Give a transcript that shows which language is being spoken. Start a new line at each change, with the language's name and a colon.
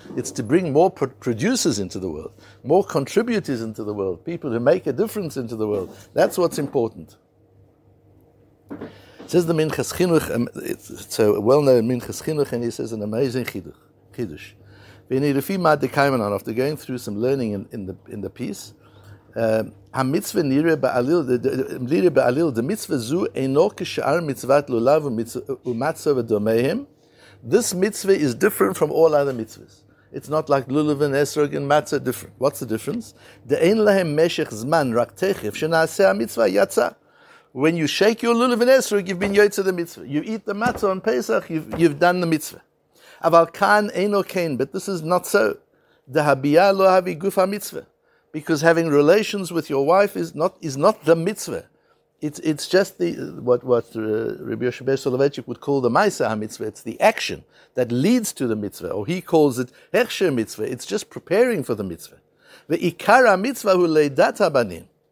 English: It's to bring more producers into the world, more contributors into the world, people who make a difference into the world. That's what's important. Says the Minchas Chinuch, it's a well-known Minchas Chinuch, and he says an amazing chiddush. After going through some learning in the piece,
Hebrew: המצווה נראה בעליל, נראה בעליל,
English: the mitzvah zu
Hebrew: אינו כשאר מצוות לולב ומצו ודומיהם.
English: This mitzvah is different from all other mitzvahs. It's not like lulav and esrog and matzah different. What's the difference?
Hebrew: דאין להם משך זמן, רק תכף, שנעשה המצווה יצא.
English: When you shake your lulav and esrog, you've been yotze the mitzvah. You eat the matzah on Pesach, you've done the mitzvah.
Hebrew: אבל כאן אינו כן,
English: but this is not so.
Hebrew: דהביה לא הביא גוף המצווה.
English: Because having relations with your wife is not the mitzvah. It's just what Rabbi Yosef Ben Soloveitchik would call the maisa ha-mitzvah. It's the action that leads to the mitzvah. Or he calls it hechsher mitzvah. It's just preparing for the mitzvah. The
Hebrew: ikara mitzvah hu leidat ha-banim.